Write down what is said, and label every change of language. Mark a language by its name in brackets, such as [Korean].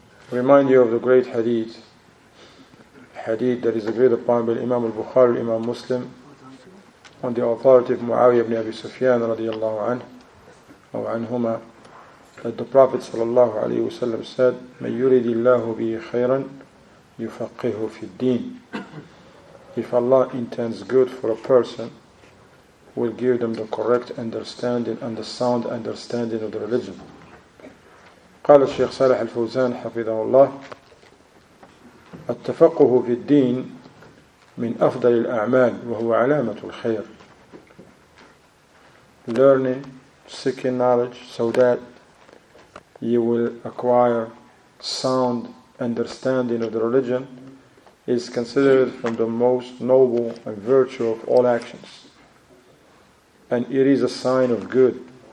[English] Remind you of the great hadith that is agreed upon by Imam al-Bukhari, Imam Muslim, on the authority of Muawiyah ibn Abi Sufyan radiallahu anhu, or anhuma, that the Prophet sallallahu alayhi wa sallam said, [Arabic] مَنْ يُرِدِ اللَّهُ بِهِ خَيْرًا يُفَقِّهُ فِي الدِّينِ. [English] If Allah intends good for a person, will give them the correct understanding and the sound understanding of the religion. [Arabic] قال الشيخ صالح الفوزان حفظه الله التفقه في الدين من أفضل الأعمال وهو علامة الخير. [English] Learning, seeking knowledge so that you will acquire sound understanding of the religion is considered from the most noble and virtue of all actions, and it is a sign of good.